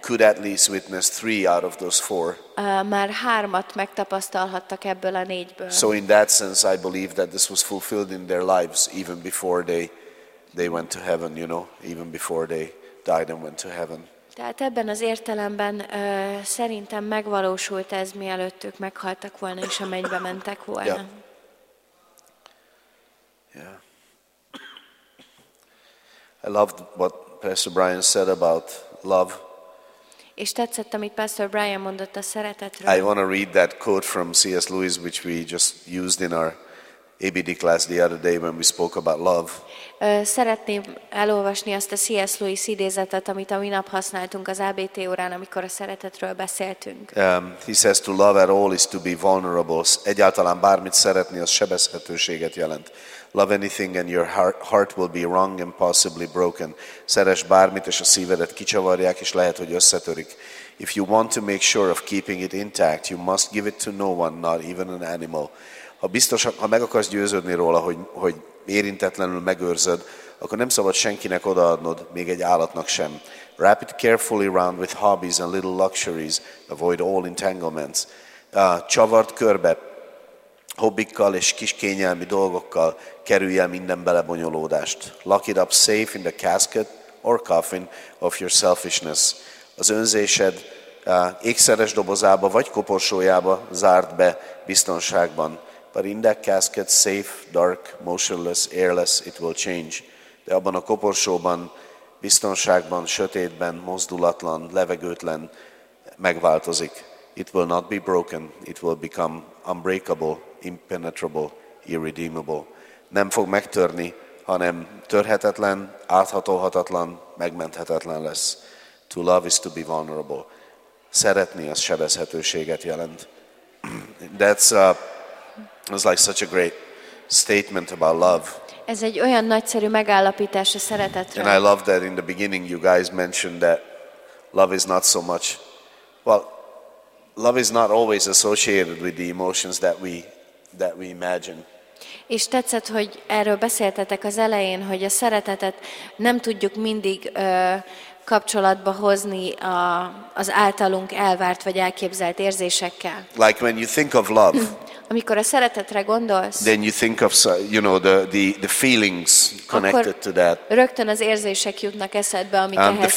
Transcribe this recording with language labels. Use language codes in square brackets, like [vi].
[en] could at least witness three out of those four. [hu] Már hármat megtapasztalhattak ebből a négyből. [en] So in that sense, I believe that this was fulfilled in their lives even before they went to heaven, you know, even before they died and went to heaven. [hu] Tehát ebben az értelemben szerintem megvalósult ez, mielőtt ők meghaltak volna, és a mennybe mentek volna. [en] Yeah. Yeah. I loved what Pastor Brian said about love. [hu] És tetszett, amit Pastor Brian mondott a szeretetről. [en] I want to read that quote from C.S. Lewis, which we just used in our ABD class the other day when we spoke about love. [hu] Szeretném elolvasni azt a C.S. Lewis idézetet, amit a minap használtunk az ABT órán, amikor a szeretetről beszéltünk. [en] He says to love at all is to be vulnerable. [hu] Egyáltalán bármit szeretni, az sebezhetőséget jelent. [en] Love anything and your heart will be wrung and possibly broken. [hu] Szeress bármit, és a szívedet kicsavarják, és lehet, hogy összetörik. [en] If you want to make sure of keeping it intact, you must give it to no one, not even an animal. [hu] Ha meg akarsz győződni róla, hogy érintetlenül megőrzöd, akkor nem szabad senkinek odaadnod, még egy állatnak sem. [en] Wrap it carefully round with hobbies and little luxuries. Avoid all entanglements. [hu] Csavard körbe, hobbikkal és kis kényelmi dolgokkal kerülj el minden belebonyolódást. [en] Lock it up safe in the casket or coffin of your selfishness. [hu] Az önzésed ékszeres dobozába vagy koporsójába zárd be biztonságban. [en] But in that casket, safe, dark, motionless, airless, it will change. [hu] De abban a koporsóban, biztonságban, sötétben, mozdulatlan, levegőtlen, megváltozik. [en] It will not be broken, it will become unbreakable, impenetrable, irredeemable. [hu] Nem fog megtörni, hanem törhetetlen, áthatolhatatlan, megmenthetetlen lesz. [en] To love is to be vulnerable. [hu] Szeretni az sebezhetőséget jelent. [en] It's like such a great statement about love. [hu] Ez egy olyan nagyszerű megállapítás a szeretetről. [en] And I love that in the beginning you guys mentioned that love is not so much, well, love is not always associated with the emotions that we imagine. [hu] És tetszett, hogy erről beszéltetek az elején, hogy a szeretetet nem tudjuk mindig kapcsolatba hozni az általunk elvárt vagy elképzelt érzésekkel. [en] Like when you think of love, [hu] amikor a szeretetre gondolsz, [en] then you think of, you know, the feelings connected to that. [hu] Rögtön az érzések jutnak eszedbe, amik ehhez kapcsolódnak.